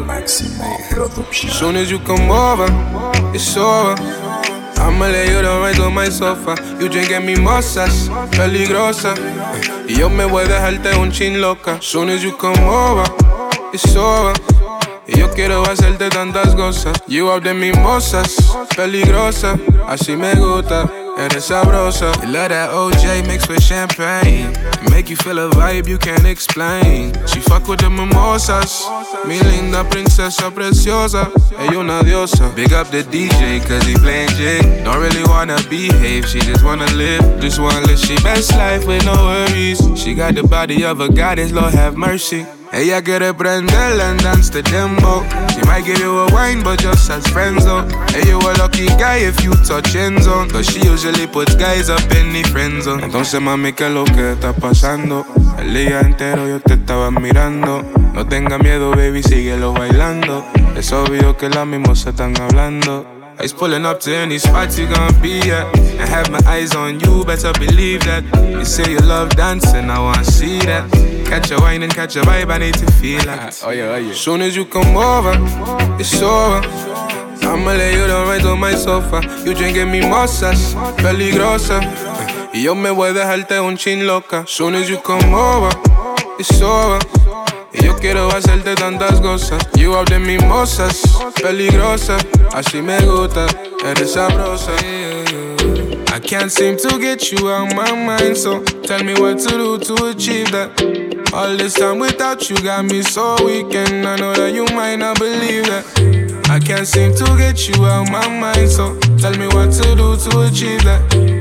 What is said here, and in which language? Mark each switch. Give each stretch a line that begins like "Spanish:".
English: Soon as you come over, it's over. I'ma lay you down right on my sofa. You drinking mimosas,
Spanish: peligrosa. Yo me voy a dejarte un chin loca.
English: Soon as you come over, it's over.
Spanish: Yo quiero hacerte tantas cosas.
English: You out de mimosas,
Spanish: peligrosa. Así me gusta, eres sabrosa.
English: You love that OJ mixed with champagne. Make you feel a vibe you can't explain. She fuck with the mimosas.
Spanish: Mi linda princesa preciosa. Ella una diosa.
English: Big up the DJ cause he playing Jig. Don't really wanna behave, she just wanna live. Just wanna live she best life with no worries. She got the body of a goddess, Lord have mercy.
Spanish: Ella quiere prender
English: and dance the dembo. She might give you a wine, but just as friends though. Hey, you a lucky guy if you touch end zone. Cause she usually puts guys up in the friend zone.
Spanish: Entonces mami, ¿qué es lo que está pasando? El día entero yo te estaba mirando. No tenga miedo, baby, síguelo bailando. Es obvio que las mismas se están hablando.
English: I's pulling up to any spot you gon' be at. And have my eyes on you, better believe that. You say you love dancing, I wanna see that. Catch a wine and catch a vibe, I need to feel that. Oh yeah. Soon as you come over, it's over. I'ma lay you down right on my sofa. You drinking mimosas,
Spanish: peligrosa. Yo me voy a dejarte un chin loca.
English: Soon as you come over, it's over.
Spanish: Yo quiero hacerte tantas cosas.
English: You out de mimosas,
Spanish: peligrosa. Así me gusta, eres sabrosa.
English: I can't seem to get you out my mind, so tell me what to do to achieve that. All this time without you got me so weak, and I know that you might not believe that. I can't seem to get you out my mind, so tell me what to do to achieve that.